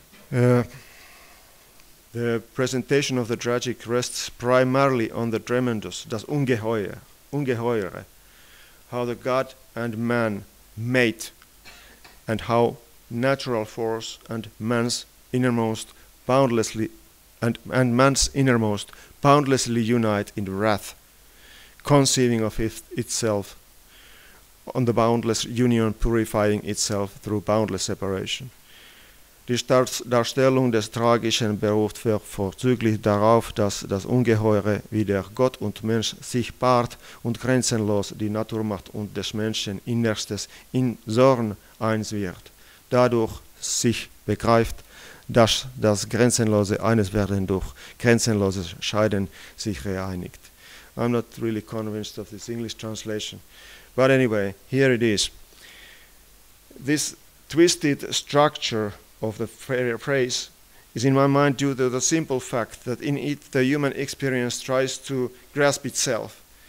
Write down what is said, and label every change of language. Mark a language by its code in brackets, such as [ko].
[en] The presentation of the tragic rests primarily on the tremendous, das Ungeheure, how the god and man mate, and how natural force and man's innermost boundlessly unite in wrath, conceiving of itself on the boundless union, purifying itself through boundless separation. [de] Die Darstellung des Tragischen beruft vorzüglich darauf, dass das Ungeheure wieder Gott und Mensch sich paart und grenzenlos die Naturmacht und des Menschen Innerstes in Zorn eins wird. Dadurch sich begreift, dass das Grenzenlose eines Werden durch grenzenloses Scheiden sich reinigt. [en] I'm not really convinced of this English translation. But anyway, here it is. This twisted structure of the phrase is in my mind due to the simple fact that in it the human experience tries to grasp itself.